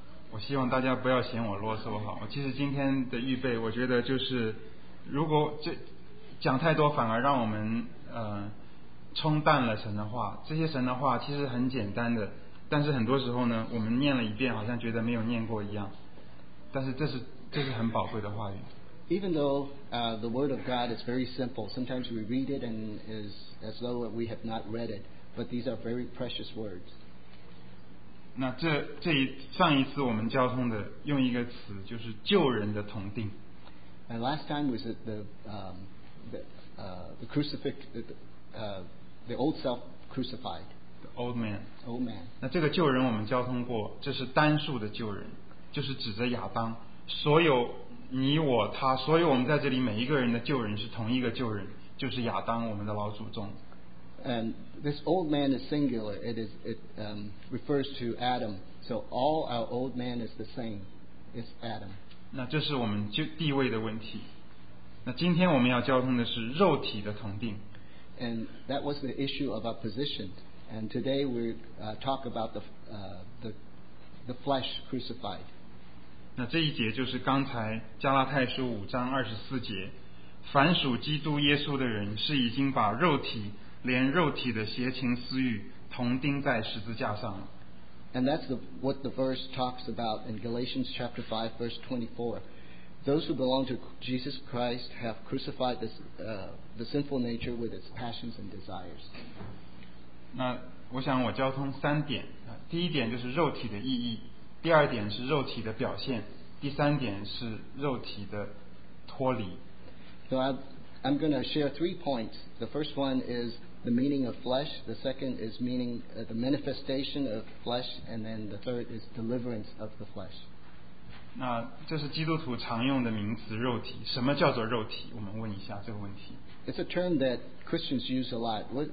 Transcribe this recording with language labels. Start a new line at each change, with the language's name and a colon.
Chinese: 我希望大家不要嫌我啰嗦哈。我其实今天的预备，我觉得就是，如果这讲太多，反而让我们冲淡了神的话。这些神的话其实很简单的，但是很多时候呢，我们念了一遍，好像觉得没有念过一样。但是这是很宝贵的话语。
English: Even though the word of God is very simple, sometimes we read it and is as though we have not read it, but these are very precious words.
Chinese: 那这上一次我们交通的用一个词就是旧人的同钉。
English: And last time was the old self crucified. The old man. Old man.
Chinese: 那这个旧人我们交通过，这是单数的旧人，就是指着亚当。所有你我他，所有我们在这里每一个人的旧人是同一个旧人，就是亚当，我们的老祖宗。
English: And this old man is singular. It refers to Adam. So all our old man is the same. It's Adam.
Chinese: 那这是我们地位的问题。那今天我们要交通的是肉体的同定。
English: And that was the issue of our position. And today we talk about the flesh crucified.
Chinese: 那这一节就是刚才加拉太书五章二十四节，凡属基督耶稣的人是已经把肉体，连肉体的邪情私欲同钉在十字架上了。
English: And that's what the verse talks about in Galatians chapter 5 verse 24. Those who belong to Jesus Christ have crucified the sinful nature with its passions and desires.
Chinese: 那我想我交通三点，第一点就是肉体的意义，第二点是肉体的表现，第三点是肉体的脱离。
English: So I'm going to share three points. The first one is the meaning of flesh, the second is meaning the manifestation of flesh, and then the third is deliverance of the flesh.
Chinese: 那这是基督徒常用的名词肉体，什么叫做肉体？我们问一下这个问题。
English: It's a term that Christians use a lot.